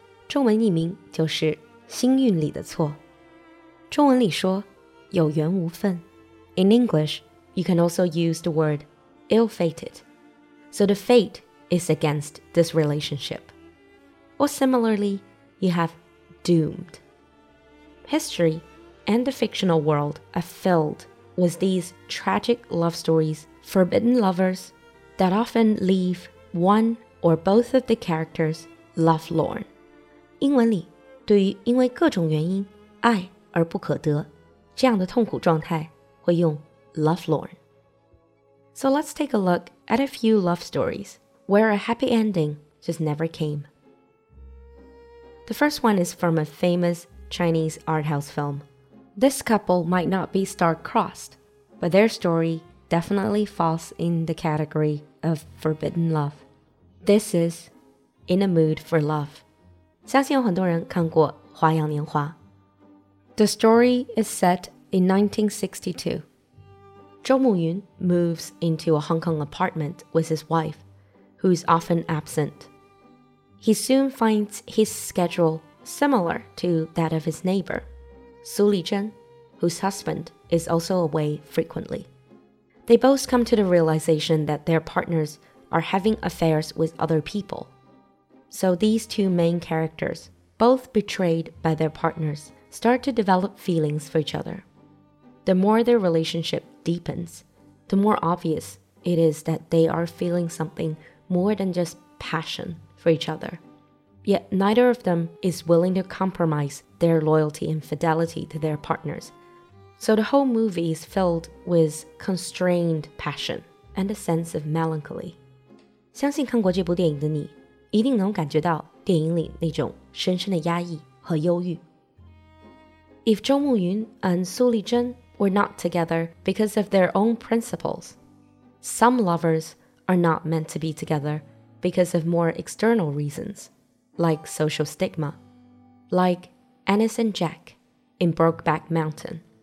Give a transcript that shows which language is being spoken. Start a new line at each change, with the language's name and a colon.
Chinese: 中文译名就是星运里的错中文里说有缘无分。
English: In English, you can also use the word ill-fated. So the fate is against this relationship. Or similarly, you have doomed. History and the fictional world are filled with these tragic love stories, forbidden lovers that often leave one or both of the characters lovelorn.
Chinese: 英文里对于因为各种原因爱而不可得这样的痛苦状态会用 lovelorn.
English: So let's take a look at a few love stories where a happy ending just never came. The first one is from a famous Chinese art house film. This couple might not be star-crossed, but their story definitely falls in the category of forbidden love. This is In a Mood for Love.
Chinese: 相信有很多人看过《花样年华》。
English: The story is set in 1962. 周慕云 moves into a Hong Kong apartment with his wife, who is often absent. He soon finds his schedule similar to that of his neighbor, Su Lijun, whose husband is also away frequently. They both come to the realization that their partners are having affairs with other people. So these two main characters, both betrayed by their partners,start to develop feelings for each other. The more their relationship deepens, the more obvious it is that they are feeling something more than just passion for each other. Yet neither of them is willing to compromise their loyalty and fidelity to their partners. So the whole movie is filled with constrained passion and a sense of melancholy.
Chinese: 相信看过这部电影的你一定能感觉到电影里那种深深的压抑和忧郁。
English: If Zhou Muyun and Su Lijun were not together because of their own principles, some lovers are not meant to be together because of more external reasons, like social stigma, like Anis and Jack in Brokeback Mountain.